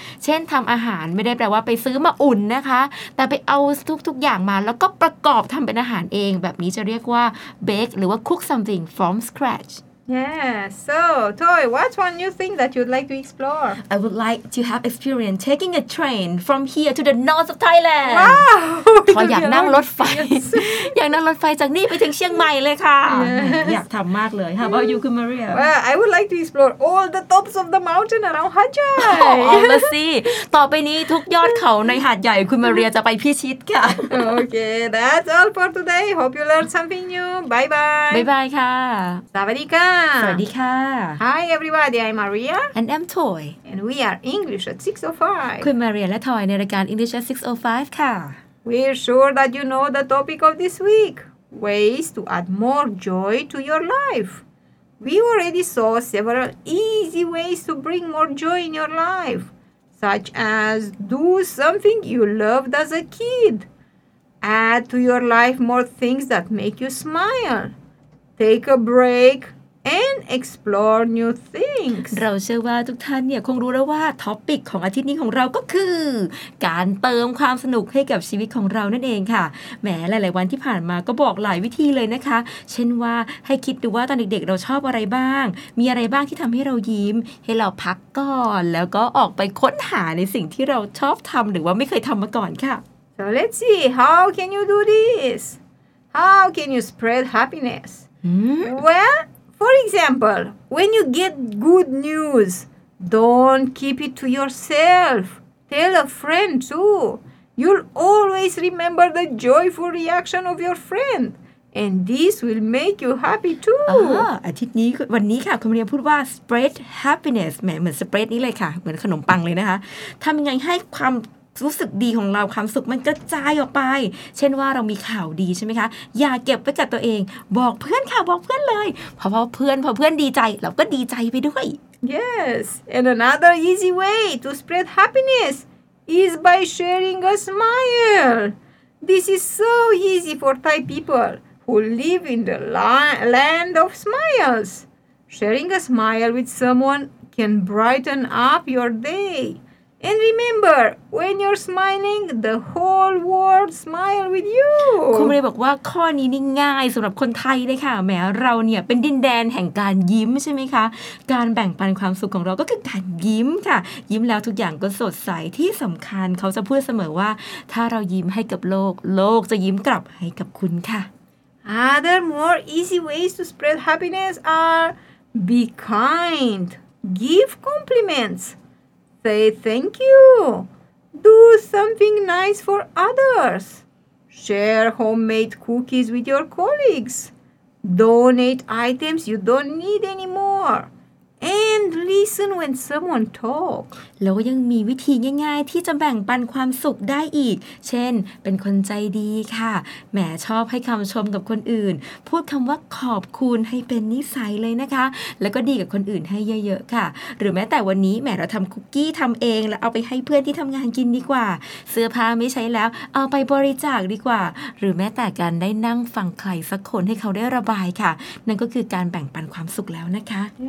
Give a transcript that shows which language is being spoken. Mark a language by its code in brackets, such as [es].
[th] เช่นทำอาหารไม่ได้แปลว่าไปซื้อมาอุ่นนะคะแต่ไปเอาทุกอย่างมาแล้วก็ประกอบทำเป็นอาหารเองแบบนี้จะเรียกว่า bakeหรือว่า cook something from scratch. [en] Yeah. So, Toy, what's one new thing that you'd like to explore? I would like to have experience taking a train from here to the north of Thailand. Wow! [th] ขออยากนั่งรถไฟอยากนั่งรถไฟจากนี่ไปถึงเชียงใหม่เลยค่ะ [en] yes. [th] อยากทำมากเลย [en] How about you, Kumaria? Well, I would like to explore all the tops of the mountain around Hatyai. All the sea. [th] ต่อไปนี้ทุกยอดเขาในหาดใหญ่ Kumaria จะไปพิชิตค่ะ [en] Okay, that's all for today. Hope you learned something new. Bye-bye. Bye-bye ค่ะ [th] สวัสดีค่ะ สวัสดีค่ะ [en] Hi everybody, I'm Maria and I'm Toy and we are English at 6:05 [th] คุณ Maria และ Toy ในรายการ English at 6:05 ค่ะ [en] We're sure that you know the topic of this week ways to add more joy to your life We already saw several easy ways to bring more joy in your life such as do something you loved as a kid add to your life more things that make you smile. Take a break and explore new things. [th] เราเชื่อว่าทุกท่านเนี่ยคงรู้แล้วว่าท็อปิกของอาทิตย์นี้ของเราก็คือการเติมความสนุกให้กับชีวิตของเรานั่นเองค่ะแหมหลายๆวันที่ผ่านมาก็บอกหลายวิธีเลยนะคะเช่นว่าให้คิดดูว่าตอนเด็กๆเราชอบอะไรบ้างมีอะไรบ้างที่ทำให้เรายิ้มให้เราพักก่อนแล้วก็ออกไปค้นหาในสิ่งที่เราชอบทำหรือว่าไม่เคยทำมาก่อนค่ะ [en] So let's see how can you do this How can you spread happiness Well For example, when you get good news, don't keep it to yourself. Tell a friend too. You'll always remember the joyful reaction of your friend. And this will make you happy too. [th] อาทิตย์นี้วันนี้ค่ะคุณเรียนพูดว่า spread happiness. แหมเหมือน spread นี้เลยค่ะเหมือนขนมปังเลยนะคะทำยังไงให้ความรู้สึกดีของเราความสุขมันกระจายออกไปเช่นว่าเรามีข่าวดีใช่ไหมคะอย่าเก็บไว้กับตัวเองบอกเพื่อนค่ะบอกเพื่อนเลยพอเพื่อนดีใจเราก็ดีใจไปด้วย [en] Yes and another easy way to spread happiness is by sharing a smile This is so easy for Thai people who live in the land of smiles Sharing a smile with someone can brighten up your dayAnd remember, when you're smiling, the whole world smile with you. [th] คุณเรย์บอกว่าข้อนี้นี่ง่ายสำหรับคนไทยเลยค่ะแหมเราเนี่ยเป็นดินแดนแห่งการยิ้มใช่ไหมคะการแบ่งปันความสุขของเราก็คือการยิ้มค่ะยิ้มแล้วทุกอย่างก็สดใสที่สำคัญเขาจะพูดเสมอว่าถ้าเรายิ้มให้กับโลกโลกจะยิ้มกลับให้กับคุณค่ะ [en] Other more easy ways to spread happiness are be kind, give complimentsSay thank you. Do something nice for others. Share homemade cookies with your colleagues. Donate items you don't need anymore. And listen when someone talk [th] แล้วยังมีวิธีง่ายๆที่จะแบ่งปันความสุขได้อีกเช่นเป็นคนใจดีค่ะแหมชอบให้คำชมกับคนอื่นพูดคำว่าขอบคุณให้เป็นนิสัยเลยนะคะแล้วก็ดีกับคนอื่นให้เยอะๆค่ะหรือแม้แต่วันนี้แหมเราทำคุกกี้ทำเองแล้วเอาไปให้เพื่อนที่ทำงานกินดีกว่าเสื้อผ้าไม่ใช้แล้วเอาไปบริจาคดีกว่าหรือแม้แต่การได้นั่งฟังใครสักคนให้เขาได้ระบายค่ะนั่นก็คือการแบ่งปันความสุขแล้วนะคะ